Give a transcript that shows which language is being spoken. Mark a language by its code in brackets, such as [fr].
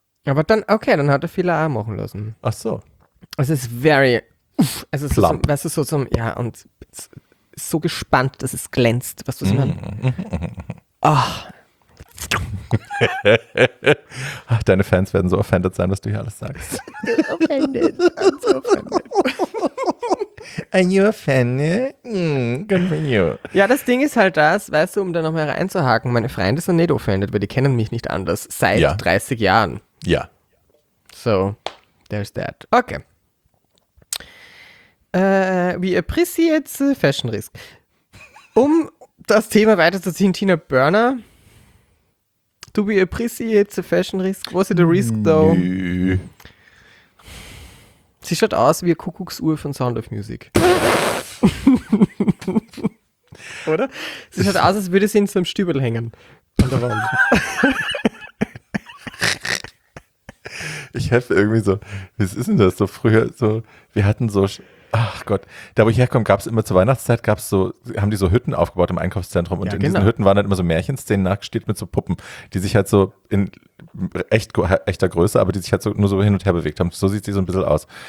[de] Aber dann, okay, dann hat er Filler auch machen lassen. Ach so. Es ist very, es ist plump. So, weißt du, so zum, ja, und so gespannt, dass es glänzt, was du so meinst. Ach. Ach, deine Fans werden so offended sein, was du hier alles sagst. [en] Offended. I'm so offended. Are you offended? Mm, good for you. [de] Ja, das Ding ist halt das, weißt du, um da nochmal reinzuhaken, meine Freunde sind nicht offended, weil die kennen mich nicht anders seit 30 Jahren. Ja. [en] So, there's that. Okay. We appreciate the fashion risk. [de] Um das Thema weiterzuziehen, Tina Burner. [en] Do we appreciate the fashion risk? [de] Was ist der Risk, [en] though? [de] Nö. Sie schaut aus wie eine Kuckucksuhr von Sound of Music. Oder? Sie schaut aus, als würde sie in so einem Stübel hängen. An der Wand. Ich helfe irgendwie so, was ist denn das so früher? So, wir hatten so, ach Gott, da wo ich herkomme, gab es immer zur Weihnachtszeit, gab es so, haben die so Hütten aufgebaut im Einkaufszentrum und ja, in genau. Diesen Hütten waren halt immer so Märchenszenen nachgestellt mit so Puppen, die sich halt so in echter Größe, aber die sich halt so nur so hin und her bewegt haben. So sieht sie so ein bisschen aus.